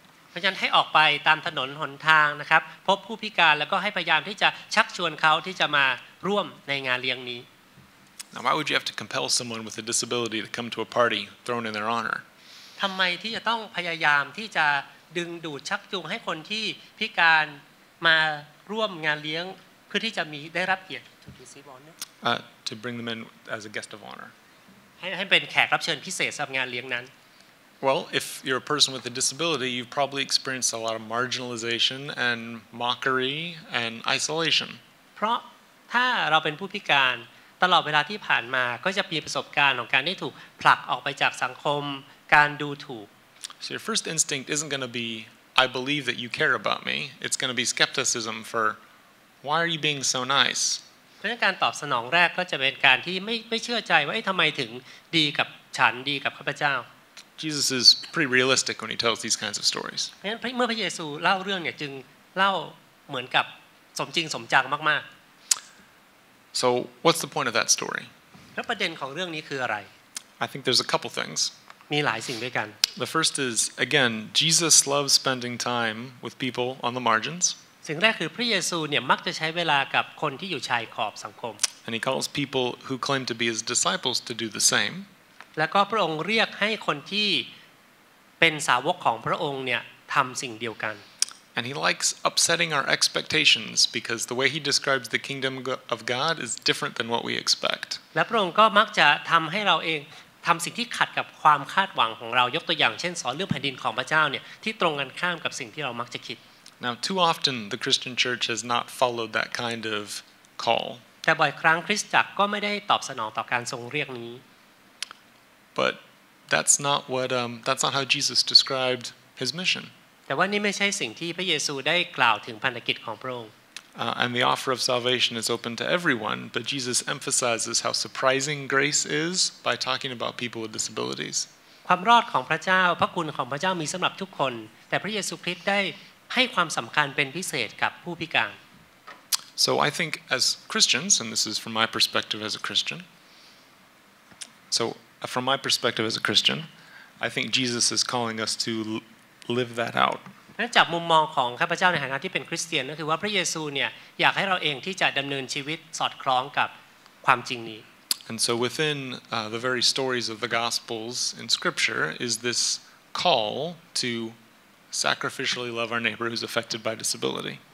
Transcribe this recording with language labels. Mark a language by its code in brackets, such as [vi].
[th] เพราะฉะนั้นให้ออกไปตามถนนหนทางนะครับพบผู้พิการแล้วก็ให้พยายามที่จะชักชวนเขาที่จะมาร่วมในงานเลี้ยงนี้ [en] Now why would you have to compel someone with a disability to come to a party thrown in their honor [th] ทำไมที่จะต้องพยายามที่จะดึงดูดชักจูงให้คนที่พิการมาร่วมงานเลี้ยงเพื่อที่จะมีได้รับเกียรติ [en] to receive honor to bring them in as a guest of honor [th] ให้เป็นแขกรับเชิญพิเศษสำหรับงานเลี้ยงนั้น [en] Well, if you're a person with a disability, you've probably experienced a lot of marginalization and mockery and isolation. [th] เพราะถ้าเราเป็นผู้พิการตลอดเวลาที่ผ่านมาก็จะมีประสบการณ์ของการได้ถูกผลักออกไปจากสังคมการดูถูก [en] So your first instinct isn't going to be I believe that you care about me. It's going to be skepticism for why are you being so nice? [th] เพราะการตอบสนองแรกก็จะเป็นการที่ไม่เชื่อใจว่าทำไมถึงดีกับฉันดีกับข้าพเจ้า [en] Jesus is pretty realistic when he tells these kinds of stories. [th] เมื่อพระเยซูเล่าเรื่องเนี่ยจึงเล่าเหมือนกับสมจริงสมจังมาก [en] ๆ So what's the point of that story? [th] แล้วประเด็นของเรื่องนี้คืออะไร [en] I think there's a couple things. [th] มีหลายสิ่งด้วยกัน [en] The first is again Jesus loves spending time with people on the margins. [th] สิ่งแรกคือพระเยซูเนี่ยมักจะใช้เวลากับคนที่อยู่ชายขอบสังคม [en] And he calls people who claim to be his disciples to do the same. [th] แล้วก็พระองค์เรียกให้คนที่เป็นสาวกของพระองค์เนี่ยทำสิ่งเดียวกัน [en] And he likes upsetting our expectations because the way he describes the kingdom of God is different than what we expect. [th] และพระองค์ก็มักจะทำให้เราเองทำสิ่งที่ขัดกับความคาดหวังของเรายกตัวอย่างเช่นสอนเรื่องแผ่นดินของพระเจ้าเนี่ยที่ตรงกันข้ามกับสิ่งที่เรามักจะคิด [en] Now too often the Christian church has not followed that kind of call. [th] แต่บ่อยครั้งคริสตจักรก็ไม่ได้ตอบสนองต่อการทรงเรียกนี้ [en] But that's not what that's not how Jesus described his mission. [th] แต่ว่านี่ไม่ใช่สิ่งที่พระเยซูได้กล่าวถึงพันธกิจของพระองค์ [en] And the offer of salvation is open to everyone, but Jesus emphasizes how surprising grace is by talking about people with disabilities. [th] ความรอดของพระเจ้าพระคุณของพระเจ้ามีสำหรับทุกคนแต่พระเยซูคริสต์ได้ให้ความสำคัญเป็นพิเศษกับผู้พิการ [en] So I think as Christians, and this is from my perspective as a Christian. SoFrom my perspective as a Christian, I think Jesus is calling us to live that out. [th] จากมุมมองของข้าพเจ้าในฐานะที่เป็นคริสเตียนก็คือว่าพระเยซูเนี่ยอยากให้เราเองที่จะดำเนินชีวิตสอดคล้องกับความจริงนี้ [en] And so within the very stories of the Gospels in Scripture is this call to sacrificially love our neighbor who's affected by disability.